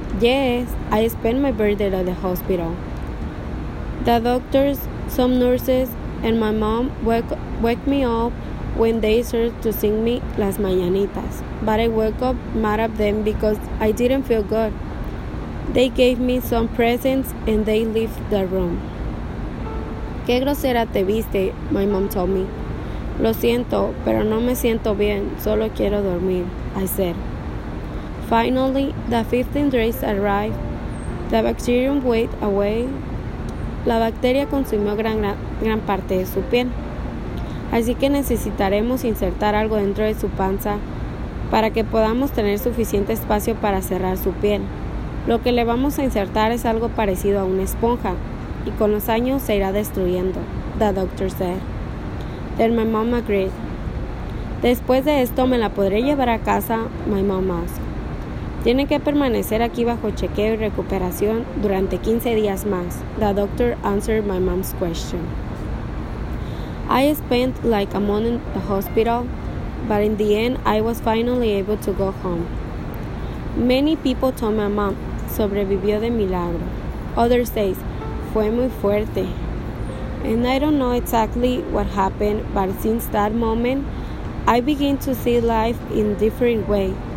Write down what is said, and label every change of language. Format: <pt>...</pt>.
<en>Yes, I spent my birthday at the hospital. The doctors, some nurses, and my mom woke me up when they started to sing me Las Mañanitas. But I woke up mad at them because I didn't feel good. They gave me some presents and they left the room.</en> <es>Qué grosera te viste,</es> <en>my mom told me.</en> <es>Lo siento, pero no me siento bien, solo quiero dormir,</es> <en>I said. Finally, the 15th day arrived. The bacterium went away.</en> <es>La bacteria consumió gran parte de su piel. Así que necesitaremos insertar algo dentro de su panza para que podamos tener suficiente espacio para cerrar su piel. Lo que le vamos a insertar es algo parecido a una esponja y con los años se irá destruyendo,</es> <en>the doctor said. Then my mom agreed.</en> <es>Después de esto, ¿me la podré llevar a casa?</es> <en>My mom asked.</en> <es>Tiene que permanecer aquí bajo chequeo y recuperación durante 15 días más.</es> <en>The doctor answered my mom's question. I spent like a month in the hospital, but in the end, I was finally able to go home. Many people told my mom,</en> <es>sobrevivió de milagro.</es> <en>Others say,</en> <es>fue muy fuerte.</es> <en>And I don't know exactly what happened, but since that moment, I began to see life in a different way.</en>